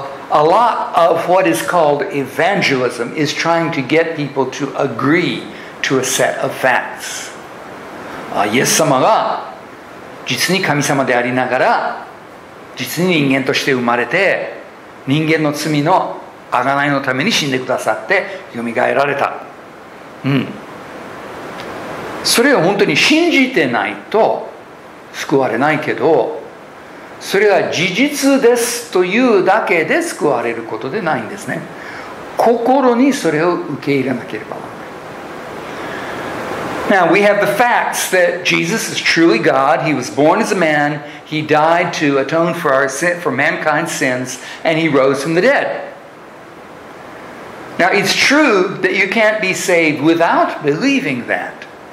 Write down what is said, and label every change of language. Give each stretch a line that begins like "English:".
English: A lot of what is called evangelism is trying to get people to agree to a set of facts.
Japanese: イエス様が実に神様でありながら実に人間として生まれて人間の罪の贖いのために死んでくださってよみがえられた、それを本当に信じてないと救われないけど、それが事実ですというだけで救われることでないんですね。心にそれを受け入れなければ。
English: Now we have the facts that Jesus is truly God. He was born as a man. He died to atone for our sin, for mankind's sins, and he rose from the dead. Now it's true that you can't be saved without believing that.